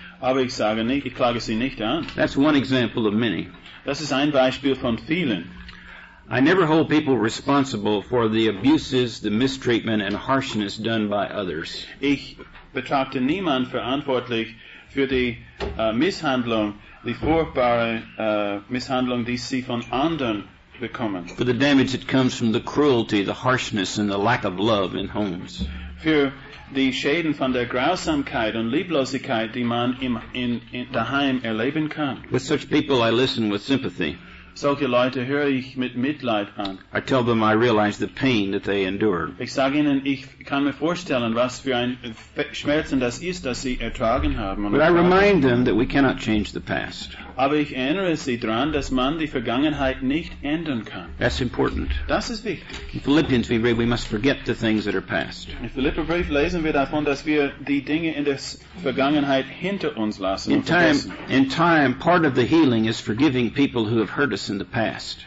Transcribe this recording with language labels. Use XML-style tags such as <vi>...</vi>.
<de>Aber ich sage nicht, ich klage sie nicht an.</de> <en>That's one example of many.</en> <de>Das ist ein Beispiel von vielen.</de> <en>I never hold people responsible for the abuses, the mistreatment, and harshness done by others.</en> <de>Ich betrachte niemand verantwortlich für die Misshandlung, die furchtbare Misshandlung, die sie von anderen bekommen.</de> <en>For the damage that comes from the cruelty, the harshness, and the lack of love in homes.</en> <de>Für die Schäden von der Grausamkeit und Lieblosigkeit, die man in daheim erleben kann.</de> <en>With such people, I listen with sympathy.</en> <de>Solche Leute höre ich mit Mitleid an.</de> <en>I tell them I realize the pain that they endured.</en> <de>Ich sage ihnen, ich kann mir vorstellen, was für ein Schmerzen das ist, das sie ertragen haben.</de> <en>But I remind them that we cannot change the past.</en> <de>Aber ich erinnere sie daran, dass man die Vergangenheit nicht ändern kann.</de> <en>That's important.</en> <de>Das ist wichtig.</de> <en>In Philippians we read we must forget the things that are past.</en> <de>In Philipperbrief lesen wir davon, dass wir die Dinge in der Vergangenheit hinter uns lassen.</de> <en>In time, part of the healing is forgiving people who have hurt us in the past.</en>